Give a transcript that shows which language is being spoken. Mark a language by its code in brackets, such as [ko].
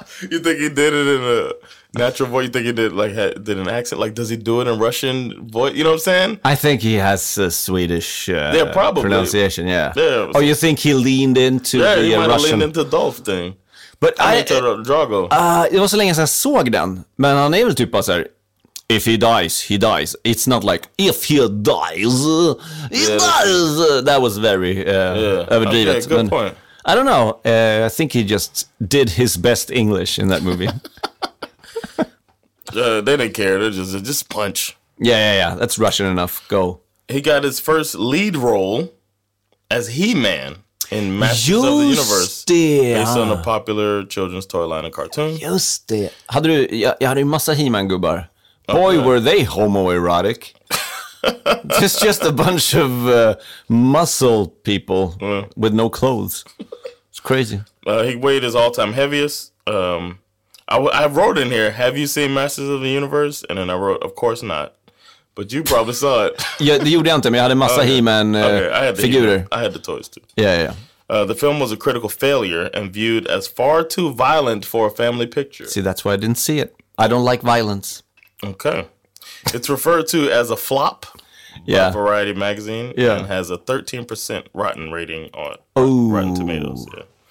[en] You think he did it in a natural voice? You think he did like did an accent? Like, does he do it in Russian voice? You know what I'm saying? I think he has a Swedish yeah, probably, pronunciation. Yeah. Yeah. Oh, you think he leaned into yeah, the Russian? Yeah, he might have leaned into Dolph thing. But into Drago. It was so long as I saw [sv] den. Men han är väl typ bara så här, [en] if he dies, he dies. It's not like, if he dies, he yeah, dies. That was very [sv] overdrivet. [en] Okay, good men, point. I don't know. I think he just did his best English in that movie. They didn't care. They just punch. Yeah, yeah, yeah. That's Russian enough. Go. He got his first lead role as He-Man in Masters just of the Universe. [sv] Det. [en] Based on a popular children's toy line and cartoon. [sv] Just det. Hade du, jag hade ju massa He-Man-gubbar. [en] Boy, okay, were they homoerotic. Just a bunch of muscle people with no clothes. It's crazy. He weighed his all-time heaviest. I wrote in here, have you seen Masters of the Universe? And then I wrote, of course not. But you probably saw it. Yeah, [sv] det gjorde jag inte, men jag hade massa He-Man figurer. [en] I had the toys too. Yeah. The film was a critical failure and viewed as far too violent for a family picture. See, that's why I didn't see it. I don't like violence. Okay. It's referred to as a flop by Variety magazine and has a 13% rotten rating on Rotten Tomatoes. Yeah.